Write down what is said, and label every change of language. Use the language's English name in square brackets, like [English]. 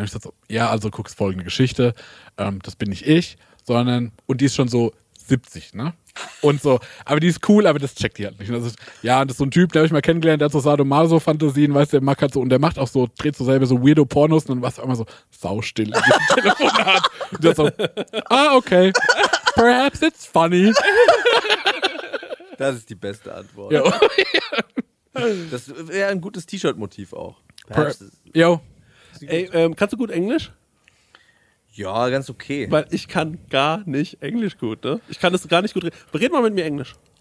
[German] Und ich sag so, ja, also guckst folgende Geschichte, das bin nicht ich, sondern, und die ist schon so 70, ne? Und so, aber die ist cool, aber das checkt die halt nicht. Und das ist, ja, und das ist so ein Typ, der habe ich mal kennengelernt, der hat so Sadomaso-Fantasien, weißt du, der macht halt so, und der macht auch so, dreht so selber so weirdo Pornos, und dann war es immer so saustill in diesem Telefonat. Und der so, [English] ah, okay, perhaps it's funny. [German] Das ist die beste Antwort. Ja. Das wäre ein gutes T-Shirt-Motiv auch. Yo. Ey, kannst du gut Englisch? Ja, ganz okay. Weil ich kann gar nicht Englisch gut, ne? Ich kann das gar nicht gut reden. Red mal mit mir Englisch.